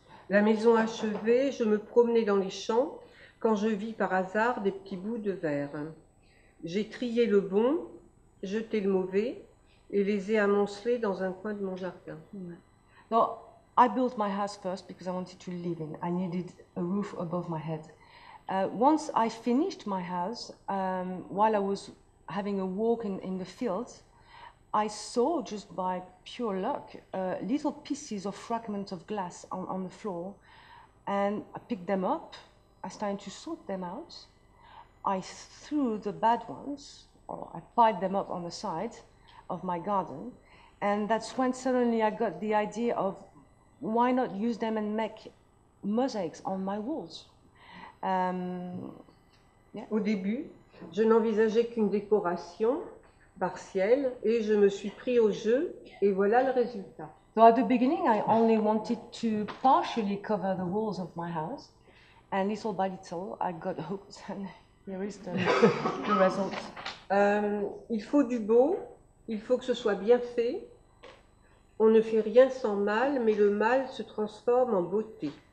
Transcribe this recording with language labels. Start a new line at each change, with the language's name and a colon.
French: La maison achevée, je me promenais dans les champs quand je vis par hasard des petits bouts de verre. J'ai trié le bon, jeté le mauvais et les ai amoncelés dans un coin de mon jardin.
English: Now, I built my house first because I wanted to live in. I needed a roof above my head. Once I finished my house, while I was having a walk in the fields, I saw, just by pure luck, little pieces of fragments of glass on the floor, and I picked them up, I started to sort them out, I threw the bad ones, or I piled them up on the side of my garden, and that's when suddenly I got the idea of why not use them and make mosaics on my walls. Yeah.
French: Au début, je n'envisageais qu'une décoration partielle et je me suis pris au jeu et voilà le résultat.
English: So at the beginning, I only wanted to partially cover the walls of my house, and little by little, I got hooked, and here is the result.
French: Il faut du beau, il faut que ce soit bien fait. On ne fait rien sans mal, mais le mal se transforme en beauté.